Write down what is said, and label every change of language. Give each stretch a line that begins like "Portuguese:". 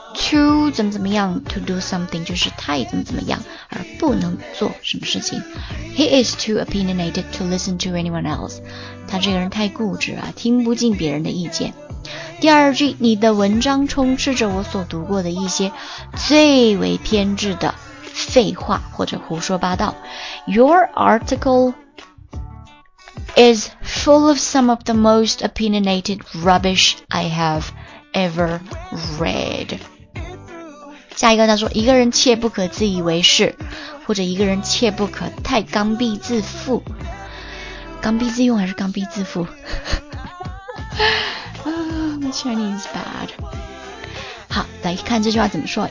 Chinese: Too 怎么怎么样
English: to do something
Chinese: 就是太怎么怎么样而不能做什么事情。
English: He is too opinionated to listen to anyone else.
Chinese: 他这个人太固执啊，听不进别人的意见。第二句，你的文章充斥着我所读过的一些最为偏执的废话或者胡说八道。
English: Your article is full of some of the most opinionated rubbish I have ever read.
Chinese: 下一个他说，一个人切不可自以为是，或者一个人切不可太刚愎自负。刚愎自用还是刚愎自负？
English: My Chinese is bad.
Chinese: 好，来看这句话怎么说。